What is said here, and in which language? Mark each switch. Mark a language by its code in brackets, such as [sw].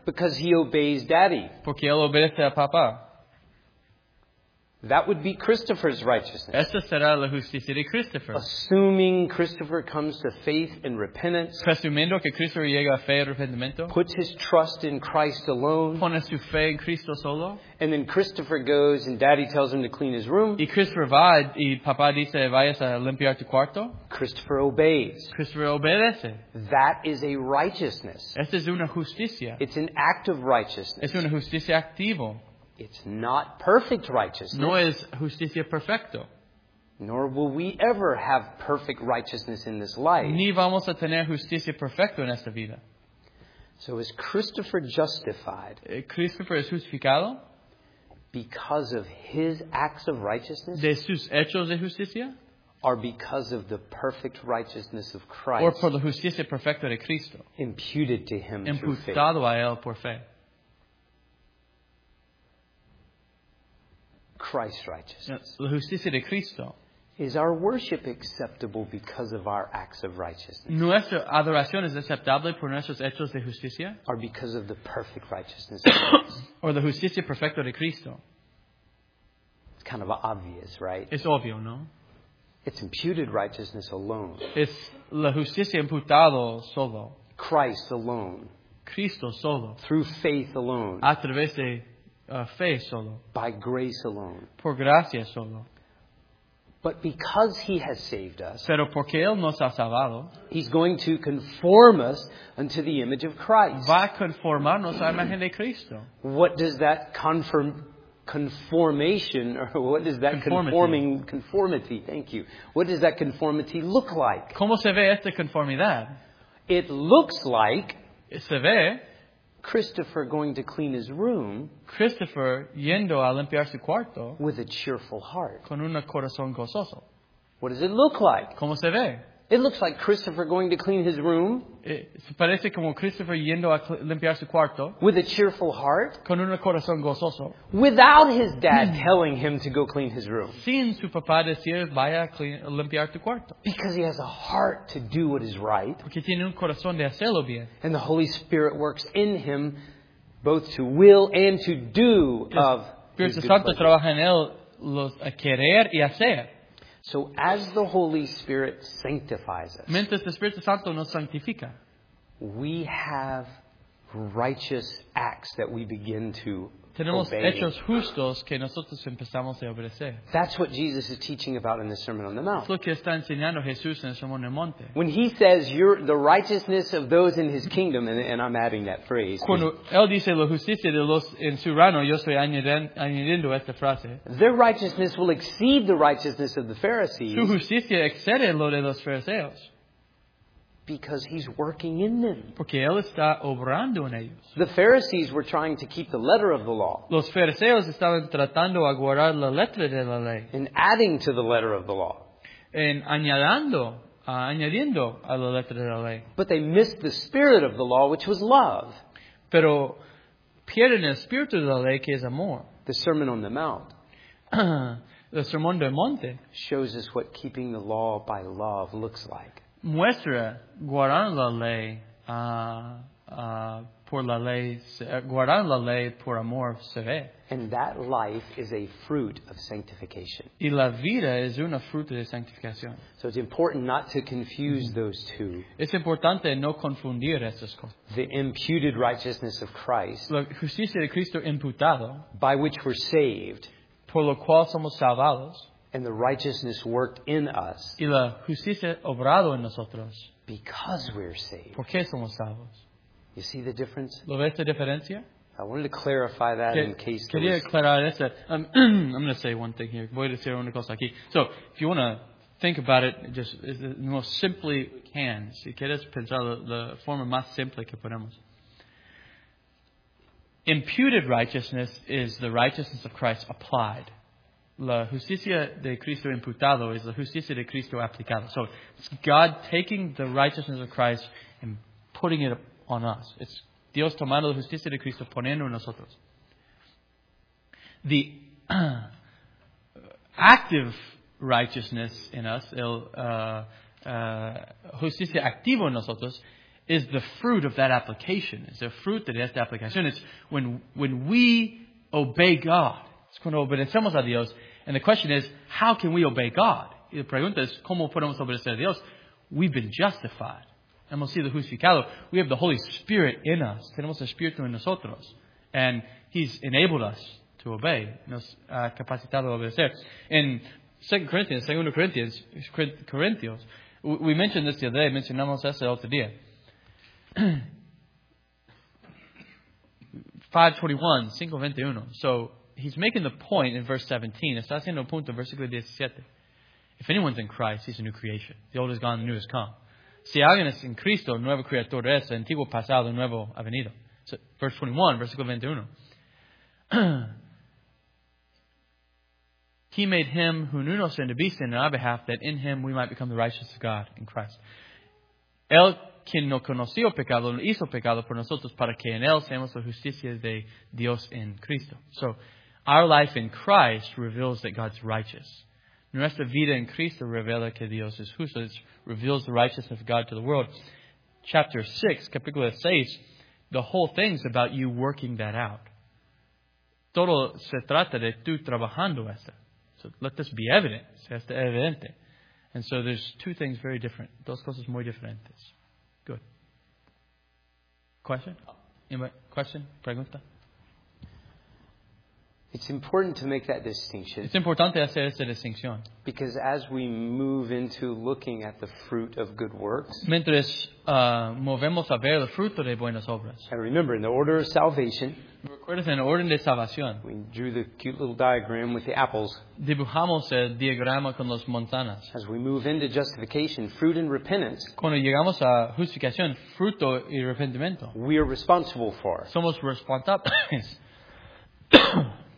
[en] Because he obeys Daddy. [es] Porque él obedece a papá. [en] That would be Christopher's righteousness. [es] Esa será la justicia de Christopher. [en] Assuming Christopher comes to faith and repentance. [es] Presumiendo que Christopher llega a fe y arrepentimiento. [en] Puts his trust in Christ alone. [es] Pone su fe en Cristo solo. [en] And then Christopher goes and Daddy tells him to clean his room. [es] Y Christopher va y papá dice vayas a limpiar tu cuarto. [en] Christopher obeys. [es] Christopher obedece. [en] That is a righteousness. [es] Esa es una justicia. [en] It's an act of righteousness. [es] Es una justicia activa. [en] It's not perfect righteousness. [es] No es justicia perfecto. [en] Nor will we ever have perfect righteousness in this life. [es] Ni vamos a tener justicia perfecta en esta vida. [en] So is Christopher justified? [es] Christopher es justificado? [en] Because of his acts of righteousness? [es] De sus hechos de justicia? [en] Or because of the perfect righteousness of Christ? [es] Or por la justicia perfecta de Cristo? [en] Imputed to him through faith. [es] Imputado a él por fe. [en] Christ's righteousness. [es] La justicia de Cristo. [en] Is our worship acceptable because of our acts of righteousness? [es] Nuestra adoración es aceptable por nuestros hechos de justicia? [en] Or because of the perfect righteousness of Christ? Or the [es] justicia perfecta de Cristo? [en] It's kind of obvious, right? [es] Es obvio, ¿no? [en] It's imputed righteousness alone. [es] Es la justicia imputada solo. [en] Christ alone. [es] Cristo solo. [en] Through faith alone. [es] A través de fe solo. [en] By grace alone. [es] Por gracia solo. [en] But because he has saved us, [es] pero porque él nos ha salvado, [en] he's going to conform us unto the image of Christ. [es] Va a conformarnos a la imagen de Cristo. [en] What does that conformation, or what does that conformity, thank you. What does that conformity look like? [es] ¿Cómo se ve esta conformidad? [en] It looks like, [es] se ve, [en] Christopher going to clean his room, [es] Christopher yendo a limpiar su cuarto, [en] with a cheerful heart, [es] con un corazón gozoso. [en] What does it look like? [es] ¿Cómo se ve? [en] It looks like Christopher going to clean his room, [es] se parece como Christopher yendo a limpiar su cuarto, [en] with a cheerful heart, [es] con un corazón gozoso, [en] without his dad telling him to go clean his room, [es] sin su papá decir vaya a limpiar tu cuarto, [en] because he has a heart to do what is right, [es] porque tiene un corazón de hacerlo bien, [en] and the Holy Spirit works in him both to will and to do of [es] Espíritu Santo trabaja en él los a querer y hacer. [en] So as the Holy Spirit sanctifies us, [es] mientras el Espíritu Santo nos santifica, [en] we have righteous acts that we begin to [es] tenemos [en] obey. [es] Hechos justos que nosotros empezamos a obedecer. [en] That's what Jesus is teaching about in the Sermon on the Mount. [es] Es lo que está enseñando Jesús en el Sermón del Monte. [en] When he says you're the righteousness of those in his kingdom, and I'm adding that phrase. [es] Cuando él dice la justicia de los en su reino, yo estoy añadiendo esta frase. [en] Their righteousness will exceed the righteousness of the Pharisees. [es] Su justicia excede lo de los fariseos. [en] Because he's working in them. [es] Porque él está obrando en ellos. [en] The Pharisees were trying to keep the letter of the law. [es] Los fariseos estaban tratando a guardar la letra de la ley. [en] And adding to the letter of the law. [es] En añadiendo a la letra de la ley. [en] But they missed the spirit of the law, which was love. [es] Pero pierden el espíritu de la ley, que es amor. [en] The Sermon on the Mount. [es] El Sermón del Monte. [en] Shows us what keeping the law by love looks like. [es] Muestra guardar la ley por la ley, guardar la ley por amor se ve. [en] And that life is a fruit of sanctification. [es] Y la vida es una fruto de santificación. [en] So it's important not to confuse those two. [es] Es importante no confundir estas cosas. [en] The imputed righteousness of Christ. [es] La justicia de Cristo imputado. [en] By which we're saved. [es] Por lo cual somos salvados. [en] And the righteousness worked in us. [es] Y la justicia obrado en nosotros. [en] Because we're saved. [es] Porque somos salvos. [en] You see the difference? [es] ¿Lo ves la diferencia? [en] I wanted to clarify that in case there was... [es] aclarar esto. [en] I'm going to say one thing here. [es] Voy a decir una cosa aquí. [en] So, if you want to think about it, just the most simply can. [es] Si quieres pensar la forma más simple que podemos. [en] Imputed righteousness is the righteousness of Christ applied. [es] La justicia de Cristo imputado is la justicia de Cristo aplicado. [en] So it's God taking the righteousness of Christ and putting it on us. [es] It's Dios tomando la justicia de Cristo poniendo en nosotros. [en] The active righteousness in us, [es] justicia activo en nosotros, [en] is the fruit of that application. It's the fruit [es] de esta aplicación. [en] It's when we obey God. [es] It's cuando obedecemos a Dios. [en] And the question is, how can we obey God? [es] Y la pregunta es, ¿cómo podemos obedecer a Dios? [en] We've been justified. [es] Hemos sido justificados. [en] We have the Holy Spirit in us. [es] Tenemos el Espíritu en nosotros. [en] And He's enabled us to obey. [es] Nos ha capacitado a obedecer. [en] In 2 Corinthians, we mentioned this the other day. [es] Mencionamos esto el otro día. [en] 5:21. So, he's making the point in verse 17. [es] Está haciendo un punto en versículo 17. [en] If anyone's in Christ, he's a new creation. The old is gone, the new has come. [es] Si alguien es en Cristo, nuevo creador es, antiguo pasado, nuevo ha venido. [en] So, verse 21, [es] versículo 21. [en] He made him who knew no sin to be sin in our behalf, that in him we might become the righteous of God in Christ. [es] El quien no conoció pecado, no hizo pecado por nosotros, para que en él seamos la justicia de Dios en Cristo. [en] So, our life in Christ reveals that God's righteous. [es] Nuestra vida en Cristo revela que Dios es justo. [en] It reveals the righteousness of God to the world. Chapter 6, [es] capítulo 6, [en] the whole thing's about you working that out. [es] Todo se trata de tú trabajando esto. [en] So let this be evident. [es] Esto es evidente. [en] And so there's two things very different. [es] Dos cosas muy diferentes. [en] Good. Question? Anybody? Question? Pregunta? It's important to make that distinction. [es] Es importante hacer esta distinción. [en] Because as we move into looking at the fruit of good works. [es] Mientras movemos a ver el fruto de buenas obras. [en] And remember, in the order of salvation. [es] Recuerdas en orden de salvación. [en] We drew the cute little diagram with the apples. [es] Dibujamos el diagrama con las manzanas. [en] As we move into justification, fruit and repentance. [es] Cuando llegamos a justificación, fruto y arrepentimiento. [en] We are responsible for. [es] Somos responsables.